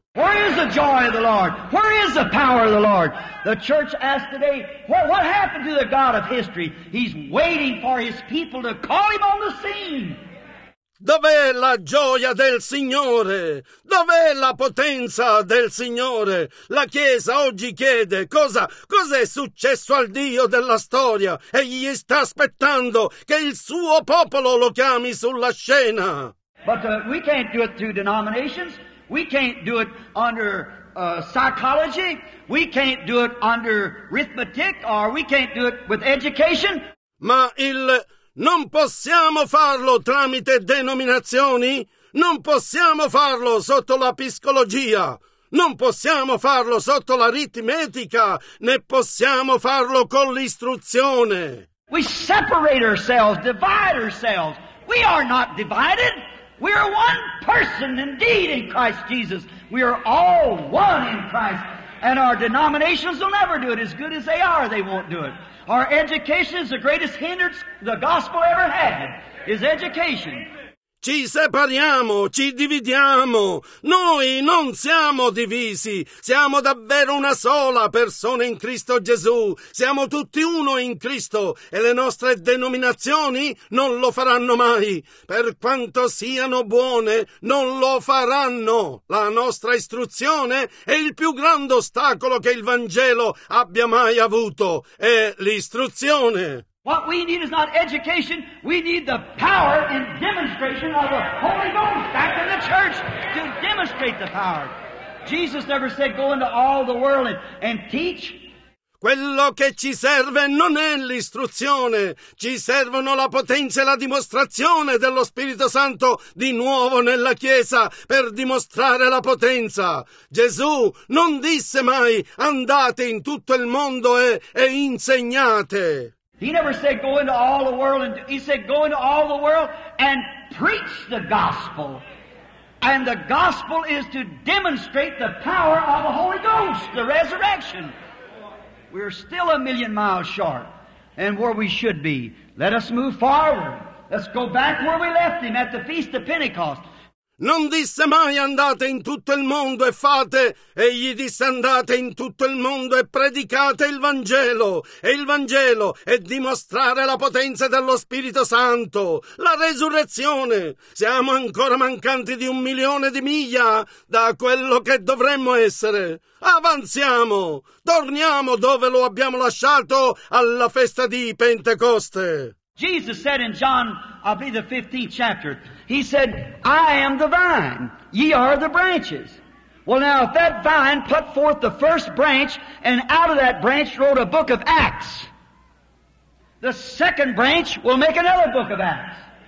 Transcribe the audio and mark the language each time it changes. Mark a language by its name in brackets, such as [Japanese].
[English] Where is the joy of the Lord? Where is the power of the Lord? The church asked today, what happened to the God of history? He's waiting for his people to call him on the scene. [Italian] Dov'è la gioia del Signore? Dov'è la potenza del Signore? La Chiesa oggi chiede cos'è successo al Dio della storia? Egli sta aspettando che il suo popolo lo chiami sulla scena. [English] But we can't do it through denominations. We can't do it under psychology. We can't do it under arithmetic. Or we can't do it with education. [Italian] Ma il... Non possiamo farlo tramite denominazioni, non possiamo farlo sotto la psicologia, non possiamo farlo sotto l'aritmetica, né possiamo farlo con l'istruzione. [English] We separate ourselves, divide ourselves. We are not divided. We are one person indeed in Christ Jesus. We are all one in Christ. And our denominations will never do it. As good as they are, they won't do it. Our education is the greatest hindrance the gospel ever had, is education. [Italian] Ci separiamo, ci dividiamo. Noi non siamo divisi. Siamo davvero una sola persona in Cristo Gesù. Siamo tutti uno in Cristo e le nostre denominazioni non lo faranno mai. Per quanto siano buone, non lo faranno. La nostra istruzione è il più grande ostacolo che il Vangelo abbia mai avuto. È l'istruzione. [English] What we need is not education, we need the power and demonstration of the Holy Ghost back in the church to demonstrate the power. Jesus never said go into all the world and teach. [Italian] Quello che ci serve non è l'istruzione, ci servono la potenza e la dimostrazione dello Spirito Santo di nuovo nella Chiesa per dimostrare la potenza. Gesù non disse mai andate in tutto il mondo e insegnate. [English] He never said go into all the world, and he said go into all the world and preach the gospel. And the gospel is to demonstrate the power of the Holy Ghost, the resurrection. We're still a million miles short and where we should be. Let us move forward. Let's go back where we left him at the Feast of Pentecost. [Italian] Non disse mai andate in tutto il mondo e fate, egli disse andate in tutto il mondo e predicate il Vangelo, e il Vangelo è dimostrare la potenza dello Spirito Santo, la resurrezione. Siamo ancora mancanti di un milione di miglia da quello che dovremmo essere. Avanziamo, torniamo dove lo abbiamo lasciato alla festa di Pentecoste. [English] Jesus said in John, I'll be the 15th chapter, he said, I am the vine, ye are the branches. Well now, if that vine put forth the first branch, and out of that branch wrote a book of Acts, the second branch will make another book of Acts.